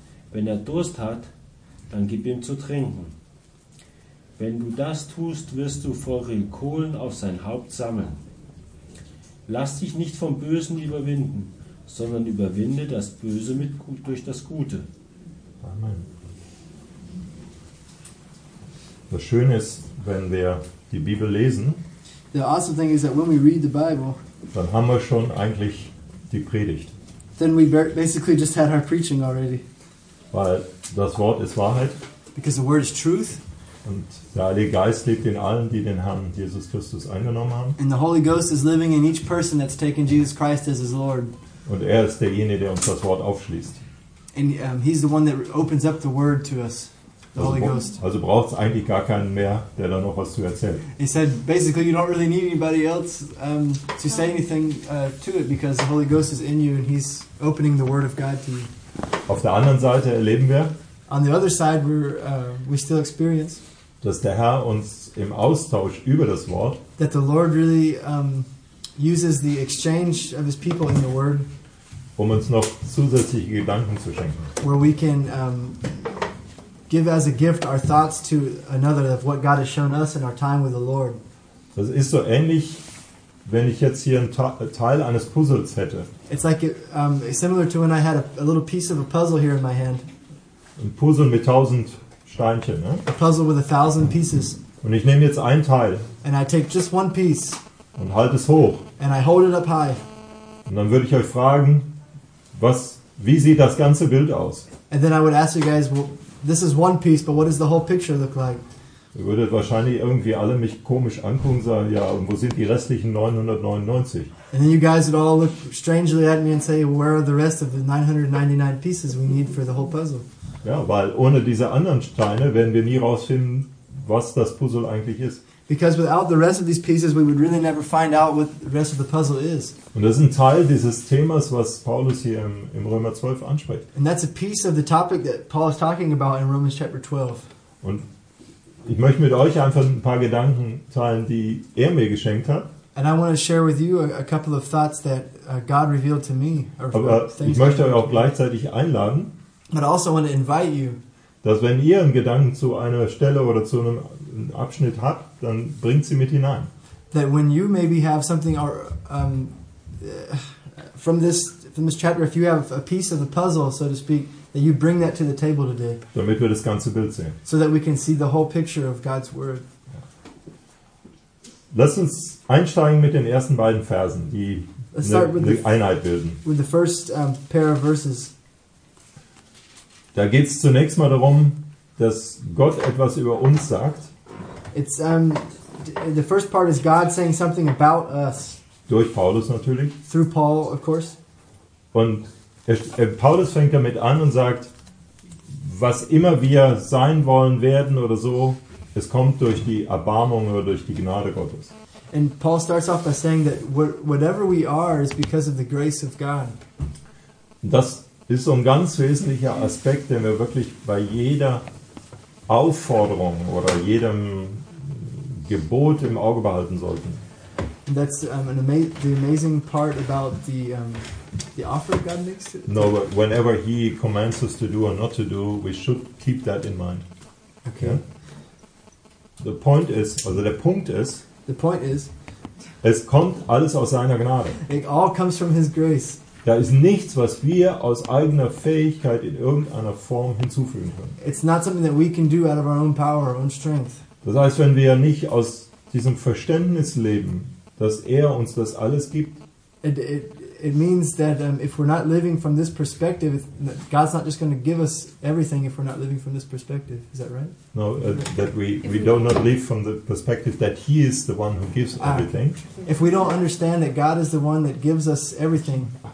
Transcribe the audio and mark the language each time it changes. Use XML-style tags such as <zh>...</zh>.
<de>Wenn er Durst hat, dann gib ihm zu trinken. Wenn du das tust, wirst du feurige Kohlen auf sein Haupt sammeln. Lass dich nicht vom Bösen überwinden, sondern überwinde das Böse mit Gut durch das Gute. Amen. Das Schöne ist, wenn wir die Bibel lesen,</de> <en>the awesome thing is that when we read the Bible,</en> <de>dann haben wir schon eigentlich die Predigt.</de> <en>Then we basically just had our preaching already.</en> <de>Weil das Wort ist Wahrheit.</de> <en>Because the word is truth.</en> <de>Und der Heilige Geist lebt in allen, die den Herrn Jesus Christus angenommen haben.</de> <en>And the Holy Ghost is living in each person that's taken Jesus Christ as his Lord.</en> <de>Und er ist derjenige, der uns das Wort aufschließt.</de> <en>And he's the one that opens up the word to us.</en> <de>Also braucht es eigentlich gar keinen mehr, der da noch was zu erzählt.</de> <en>He said, basically, you don't really need anybody else to say anything to it, because the Holy Ghost is in you and he's opening the Word of God to you.</en> <de>Auf der anderen Seite erleben wir,</de> <en>on the other side, we still experience,</en> <de>dass der Herr uns im Austausch über das Wort,</de> <en>that the Lord really uses the exchange of his people in the Word,</en> <de>um uns noch zusätzliche Gedanken zu schenken,</de> <en>where we can give as a gift our thoughts to another of what God has shown us in our time with the Lord.</en> <de>Das ist so ähnlich, wenn ich jetzt hier einen Teil eines Puzzles hätte.</de> <en>It's like similar to when I had a little piece of a puzzle here in my hand.</en> <de>Ein Puzzle mit 1000 Steinchen, ne?</de> <en>A puzzle with 1000 pieces.</en> <de>Und ich nehme jetzt einen Teil.</de> <en>And I take just one piece.</en> <de>Und halte es hoch.</de> <en>And I hold it up high.</en> <de>Und dann würde ich euch fragen, wie sieht das ganze Bild aus?</de> <en>And then I would ask you guys, well, this is one piece, but what does the whole picture look like?</en> <de>Ihr würdet wahrscheinlich irgendwie alle mich komisch angucken und sagen, ja, und wo sind die restlichen 999?</de> <en>And then you guys would all look strangely at me and say, where are the rest of the 999 pieces we need for the whole puzzle?</en> <de>Ja, weil ohne diese anderen Steine werden wir nie rausfinden, was das Puzzle eigentlich ist.</de> <en>Because without the rest of these pieces, we would really never find out what the rest of the puzzle is.</en> <de>Und das ist ein Teil dieses Themas, was Paulus hier im Römer 12 anspricht.</de> <en>And that's a piece of the topic that Paul is talking about in Romans chapter 12.</en> <de>Und ich möchte mit euch einfach ein paar Gedanken teilen, die er mir geschenkt hat.</de> <en>And I want to share with you a couple of thoughts that God revealed to me.</en> <de>Aber ich möchte euch auch gleichzeitig einladen.</de> <en>But I also want to invite you.</en> <de>Dass wenn ihr einen Gedanken zu einer Stelle oder zu einem Abschnitt habt, dann bringt sie mit hinein.</de> <en>That when you maybe have something or from this chapter, if you have a piece of the puzzle, so to speak, that you bring that to the table today.</en> <de>Damit wir das ganze Bild sehen.</de> <en>So that we can see the whole picture of God's word.</en> <de>Ja. Lass uns einsteigen mit den ersten beiden Versen, die eine Einheit bilden.</de> <en>With the first pair of verses.</en> <de>Da geht es zunächst mal darum, dass Gott etwas über uns sagt.</de> <en>It's the first part is God saying something about us.</en> <de>Durch Paulus natürlich.</de> <en>Through Paul, of course.</en> <de>Und Paulus fängt damit an und sagt, was immer wir sein wollen, werden oder so, es kommt durch die Erbarmung oder durch die Gnade Gottes.</de> <en>And Paul starts off by saying that whatever we are is because of the grace of God.</en> <de>Das ist so ein ganz wesentlicher Aspekt, den wir wirklich bei jeder Aufforderung oder jedem Gebot im Auge behalten sollten.</de> <en>That's the amazing part about the offer God makes to. No, but whenever he commands us to do or not to do, we should keep that in mind. Okay. Yeah? The point is,</en> <de>es kommt alles aus seiner Gnade.</de> <en>It all comes from his grace.</en> <de>Da ist nichts, was wir aus eigener Fähigkeit in irgendeiner Form hinzufügen können.</de> <en>It's not something that we can do out of our own power, our own strength.</en> <de>Das heißt, wenn wir nicht aus diesem Verständnis leben, dass er uns das alles gibt,</de> <en>it means that if we're not living from this perspective, God's not just going to give us everything if we're not living from this perspective. Is that right? No, that we do not live from the perspective that he is the one who gives everything. If we don't understand that God is the one that gives us everything.</en>